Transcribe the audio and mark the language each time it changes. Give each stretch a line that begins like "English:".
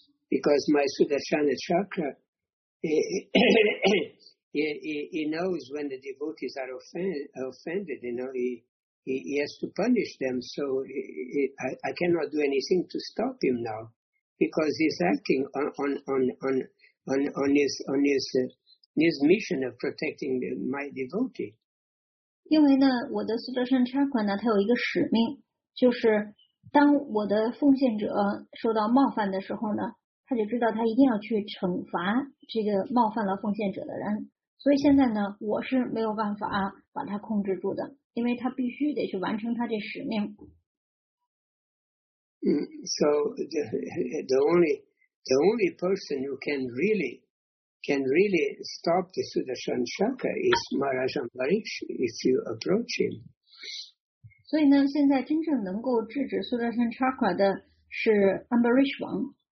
English: because my Sudarshana Chakra, he knows when the devotees are offended, you know, he has to punish them, so I cannot do anything to stop him now, because he's acting on his mission of protecting my devotee.
Chinese: 因为呢，我的苏德山查克呢，它有一个使命，就是当我的奉献者受到冒犯的时候呢，他就知道他一定要去惩罚这个冒犯了奉献者的人。所以现在呢，我是没有办法把他控制住的，因为他必须得去完成他这使命。
English: So the only person who can really stop the Sudarshan Chakra is Maharaj Ambarish if you approach him.
Chinese: 所以呢，现在真正能够制止 Sudarshan Chakra 的是 Ambarish 王。